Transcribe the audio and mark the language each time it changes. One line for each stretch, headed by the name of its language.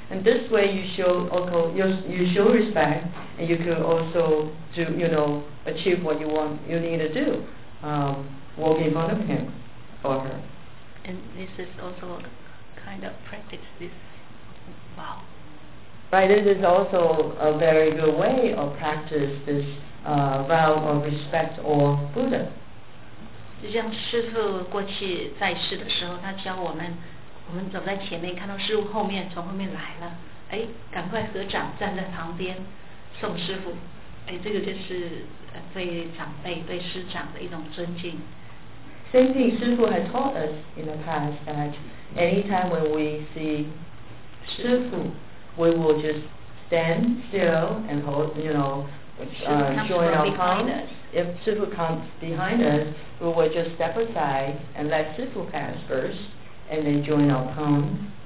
English: And this way you show respect, and you can also do, you know, achieve what you need to do, walk in front of him or her. And this is also... kind of practice this vow. Right, this is also a very good way of practice this vow of respect or Buddha.
Chinese: 就像师父过去在世的时候，他教我们，我们走在前面，看到师父后面从后面来了，哎，赶快合掌站在旁边送师父。哎，这个就是对长辈对师长的一种尊敬。
English: Same thing, 师父 has taught us in the past that anytime when we see 师父, we will just stand still and hold, you know, join our palms. If 师父 comes behind us, we will just step aside and let 师父 pass first and then join our palms.